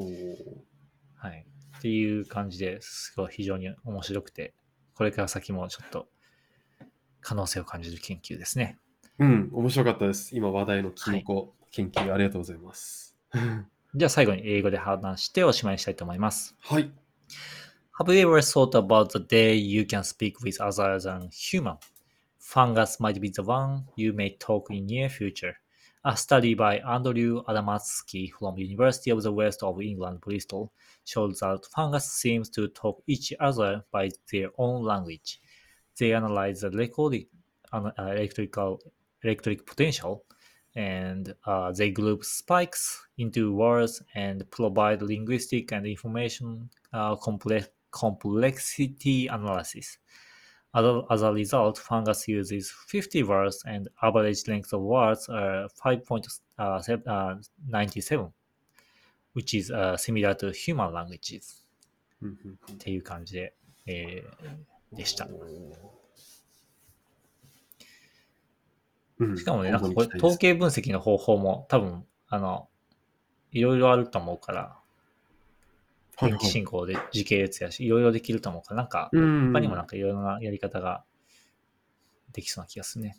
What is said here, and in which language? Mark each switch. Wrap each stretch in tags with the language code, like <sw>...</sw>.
<ja>はい、っていう感じですごい非常に面白くて、これから先もちょっと可能性を感じる研究ですね。うん、面白かったです。今話題のキノコ研究、はい、ありがとうございます。じゃあ最後に英語で話しておしまいにしたいと思います。はい。</ja> <en>Have you ever thought about the day you can speak with other than human? Fungus might be the one you may talk in near future. A study by Andrew Adamowski from University of the West of England, Bristol, showed that fungus seems to talk each other by their own language. They analyzed the electric potential, and they grouped spikes into words and provide linguistic and information complexity analysis. As a result, fungus uses 50 words and average length of words are 5.97, which is similar to human languages.</en> <ja>っていう感じで、でした。しかもね、なんかこれ統計分析の方法も多分あのいろいろあると思うから。電気信号で時系列やし、いろいろできると思うから、なんか、他にもなんかいろいろなやり方ができそうな気がするね。</ja>